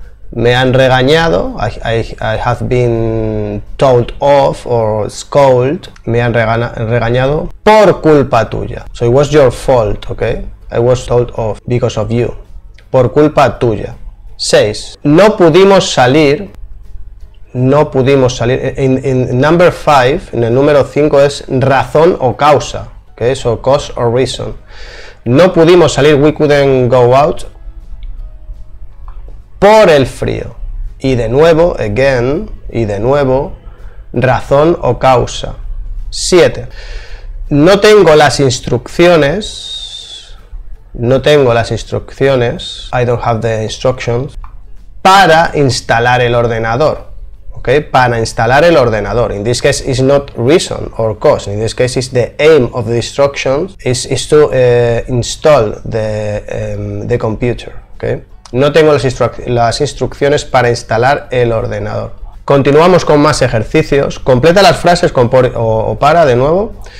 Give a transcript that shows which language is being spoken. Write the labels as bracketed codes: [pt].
[en] Me han regañado, I have been told off or scolded. Me han regañado por culpa tuya. So, it was your fault, okay? I was told off because of you. [es] Por culpa tuya. 6. No pudimos salir. No pudimos salir. En el número 5 es razón o causa. que es o cause or reason. No pudimos salir, we couldn't go out, por el frío. Y de nuevo, again, y de nuevo, razón o causa. 7. No tengo las instrucciones. [en] No tengo las instrucciones. I don't have the instructions. [es] Para instalar el ordenador. ¿Ok? Para instalar el ordenador. [en] In this case, it's not reason or cause. In this case, it's the aim of the instructions. Is to install the computer. ¿Ok? [es] No tengo las instrucciones para instalar el ordenador. Continuamos con más ejercicios. Completa las frases con por o para de nuevo.